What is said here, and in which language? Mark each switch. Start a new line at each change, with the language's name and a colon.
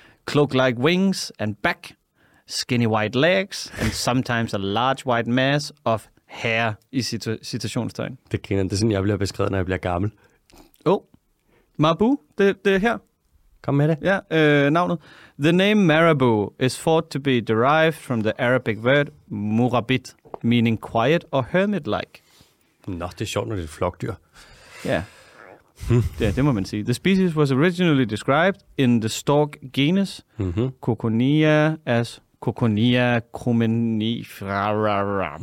English: Cloak-like wings and back, skinny white legs, and sometimes a large white mass of hair
Danish: i citationstegn. Det kender, det er sådan, jeg bliver beskrevet, når jeg bliver gammel. Åh, oh. Marabou, det er her. Kom med det. Ja, navnet.
English: The name Marabou is thought to be derived from the Arabic word murabit, meaning quiet or hermit-like.
Danish: Nå, det er sjovt, når det er et flokdyr. Ja. Yeah. Ja, det må man sige.
English: The species was originally described in the stork genus, Coconia as Coconia crumenifera.